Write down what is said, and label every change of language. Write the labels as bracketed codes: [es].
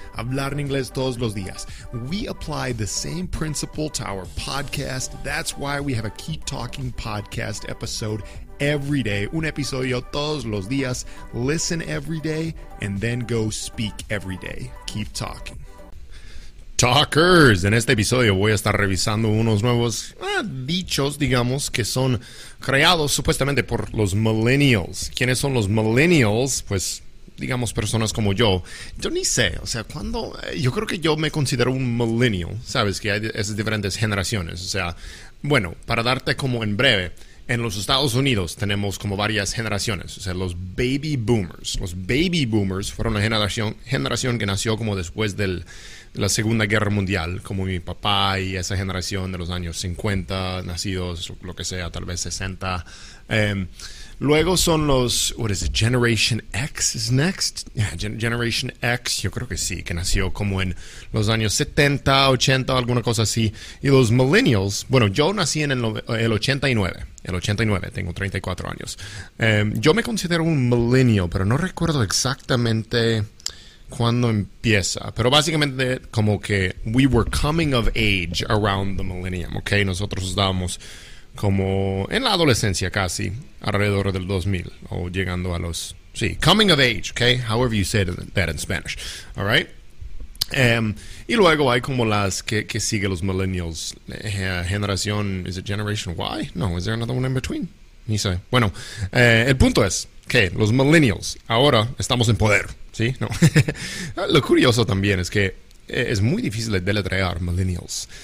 [es] Hablar en inglés todos los días. [en] We apply the same principle to our podcast. That's why we have a Keep Talking Podcast episode every day. [es] Un episodio todos los días. [en] Listen every day and then go speak every day. Keep talking. [es] Talkers, en este episodio voy a estar revisando unos nuevos dichos, digamos, que son creados supuestamente por los millennials. ¿Quiénes son los millennials? Pues, digamos, personas como yo. Yo ni sé, o sea, cuando... Yo creo que yo me considero un millennial, ¿sabes? Que hay esas diferentes generaciones, o sea... Bueno, para darte como en breve, en los Estados Unidos tenemos como varias generaciones. O sea, los baby boomers. Los baby boomers fueron una generación que nació como después del... La Segunda Guerra Mundial, como mi papá y esa generación de los años 50, nacidos, lo que sea, tal vez 60. Luego son los, [en] what is it, Generation X is next? [es] Yeah, Generation X, yo creo que sí, que nació como en los años 70, 80, alguna cosa así. Y los millennials, bueno, yo nací en el 89. El 89, tengo 34 años. Yo me considero un millennial, pero no recuerdo exactamente... ¿Cuándo empieza? Pero básicamente como que [en] we were coming of age around the millennium, ¿ok? [es] Nosotros estábamos como en la adolescencia casi, alrededor del 2000, o llegando a los... [en] Sí, coming of age, ¿ok? However you say that in Spanish, ¿all right? [es] Y luego hay como las que sigue los millennials. Generación, [en] ¿is it generation Y? [es] No, [en] ¿is there another one in between? [es] Ni sé. Bueno, el punto es que los millennials ahora estamos en poder. ¿Sí? No. Lo curioso también es que es muy difícil de deletrear millennials.